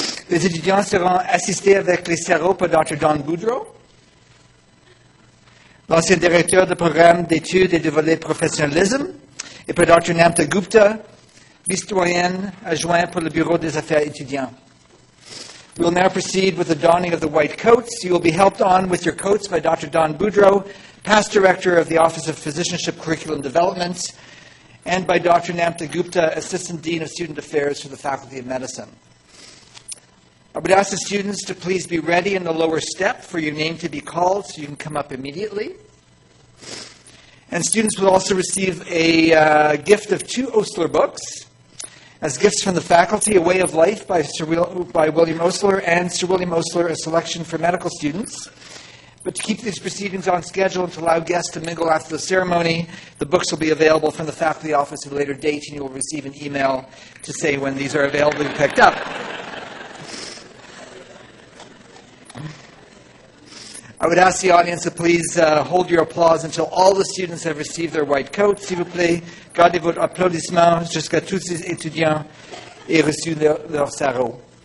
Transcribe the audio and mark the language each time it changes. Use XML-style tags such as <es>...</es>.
<fr>Les étudiants seront assistés avec les sirops par Dr. Don Boudreau, l'ancien directeur du programme d'études et de volet professionnalisme, et par Dr. Namta Gupta, historienne adjoint pour le Bureau des Affaires étudiants.</fr> <en>We will now proceed with the donning of the white coats. You will be helped on with your coats by Dr. Don Boudreau, past director of the Office of Physicianship Curriculum Development, and by Dr. Namta Gupta, Assistant Dean of Student Affairs for the Faculty of Medicine. I would ask the students to please be ready in the lower step for your name to be called so you can come up immediately. And students will also receive a gift of 2 Osler books as gifts from the faculty, A Way of Life by William Osler and Sir William Osler, A Selection for Medical Students. But to keep these proceedings on schedule and to allow guests to mingle after the ceremony, the books will be available from the faculty office at a later date, and you will receive an email to say when these are available and picked up. I would ask the audience to please hold your applause until all the students have received their white coats.</en> <fr>S'il vous plaît, gardez votre applaudissement jusqu'à tous les étudiants aient reçu leur sarrau.</fr>